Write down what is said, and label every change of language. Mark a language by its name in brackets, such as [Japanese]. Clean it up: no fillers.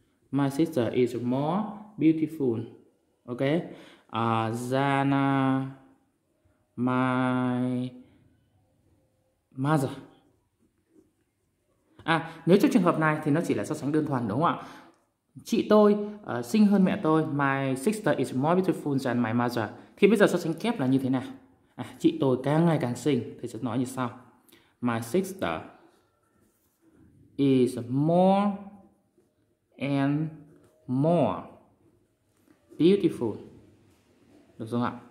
[English] My sister is more beautiful. Ok, than my mother. [Vietnamese] À, nếu trong trường hợp này thì nó chỉ là so sánh đơn thuần, đúng không ạ? Chị tôi sinh hơn mẹ tôi. [English] My sister is more beautiful than my mother. [Vietnamese] Thì bây giờ so sánh kép là như thế nào? À, chị tôi càng ngày càng xinh. Thầy sẽ nói như sau. [English] My sister is more and more beautiful. [Vietnamese] Được không ạ?